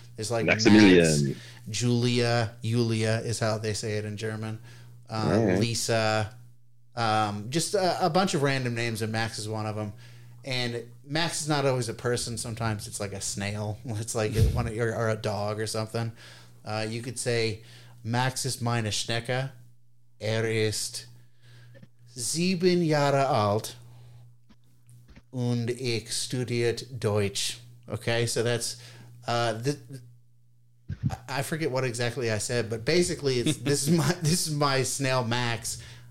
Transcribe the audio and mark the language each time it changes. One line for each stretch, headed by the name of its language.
English: It's like Maximilian. Max, Julia is how they say it in German. Lisa. A bunch of random names, and Max is one of them. And Max is not always a person. Sometimes it's like a snail. It's like one of or a dog or something.
German: You could say, Max ist meine Schnecke. Ist 7 Jahre alt. Und ich studiert Deutsch.
English: Okay, so that's... I forget what exactly I said, but basically this is my snail, Max.